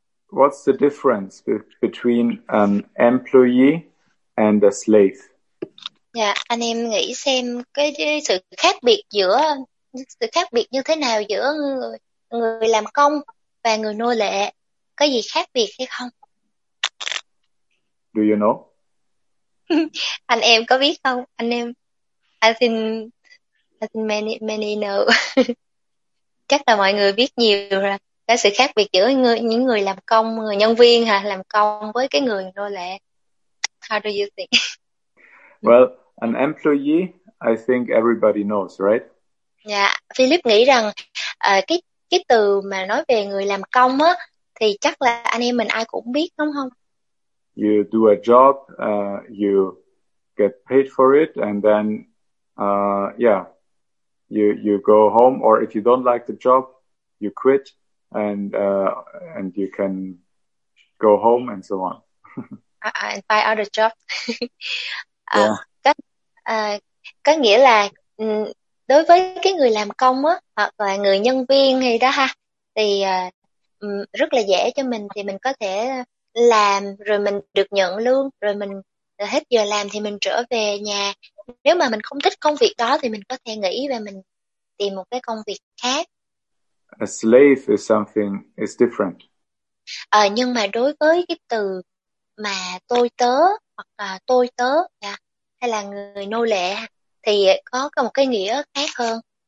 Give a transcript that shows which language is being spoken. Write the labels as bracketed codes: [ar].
[en] What's the difference between an employee and a slave? [vi] Dạ, anh em nghĩ xem cái sự khác biệt giữa, sự khác biệt như thế nào giữa người làm công và người nô lệ, có gì khác biệt hay không? [en] Do you know? [vi] Anh em có biết không? Anh em, [en] I think many know. [vi] Chắc là mọi người biết nhiều rồi. Cái sự khác biệt giữa những người làm công, người nhân viên hả, làm công với cái người nô lệ. [en] How do you think? Well, an employee, I think everybody knows, right? [vi] Yeah, Philip nghĩ rằng cái từ mà nói về người làm công á thì chắc là anh em mình ai cũng biết đúng không? [en] You do a job, you get paid for it, and then you go home, or if you don't like the job, you quit and you can go home and so on. I find other job. Yeah. [vi] Có nghĩa là đối với cái người làm công á hoặc là người nhân viên thì đó ha, thì rất là dễ cho mình, thì mình có thể làm rồi mình được nhận lương, rồi mình hết giờ làm thì mình trở về nhà. Nếu mà mình không thích công việc đó thì mình có thể nghỉ và mình tìm một cái công việc khác. [en] A slave is something is different. [vi] Nhưng mà đối với cái từ mà tôi tớ hoặc là tôi tớ hay là người nô lệ thì có một cái nghĩa khác hơn.